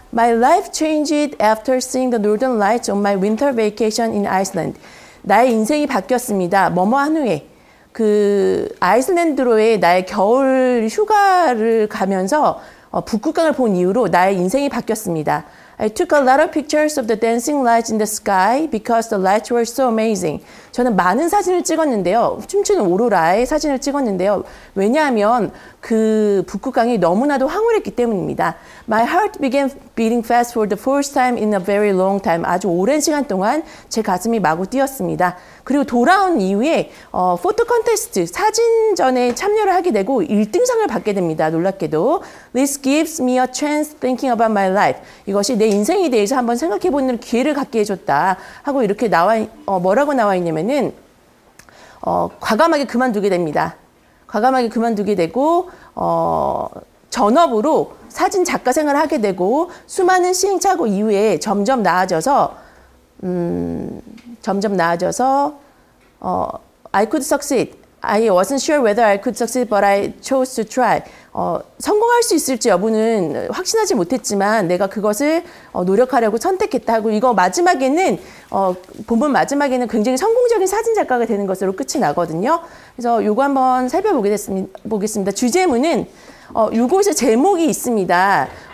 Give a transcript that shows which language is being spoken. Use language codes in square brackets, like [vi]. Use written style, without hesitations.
[en] My life changed after seeing the northern lights on my winter vacation in Iceland. [ko] 나의 인생이 바뀌었습니다. 뭐뭐 한 후에. 그 아이슬란드로의 나의 겨울 휴가를 가면서 북극강을 본 이후로 나의 인생이 바뀌었습니다. [en] I took a lot of pictures of the dancing lights in the sky because the lights were so amazing. [ko] 저는 많은 사진을 찍었는데요. 춤추는 오로라의 사진을 찍었는데요. 왜냐하면 그 북극강이 너무나도 황홀했기 때문입니다. [en] My heart began beating fast for the first time in a very long time. [ko] 아주 오랜 시간 동안 제 가슴이 마구 뛰었습니다. 그리고 돌아온 이후에 포토 컨테스트, 사진전에 참여를 하게 되고 1등상을 받게 됩니다. 놀랍게도. [en] This gives me a chance thinking about my life. [ko] 이것이 내 인생에 대해서 한번 생각해 보는 기회를 갖게 해줬다. 하고 이렇게 뭐라고 나와 있냐면은 과감하게 그만두게 됩니다. 과감하게 그만두게 되고 전업으로 사진 작가 생활을 하게 되고 수많은 시행착오 이후에 점점 나아져서 [en] I could succeed. I wasn't sure whether I could succeed, but I chose to try. [ko] 성공할 수 있을지 여부는 확신하지 못했지만 내가 그것을 노력하려고 선택했다 하고 이거 마지막에는 본문 마지막에는 굉장히 성공적인 사진 작가가 되는 것으로 끝이 나거든요. 그래서 요거 한번 살펴보겠습니다. 주제문은 요곳에 제목이 있습니다.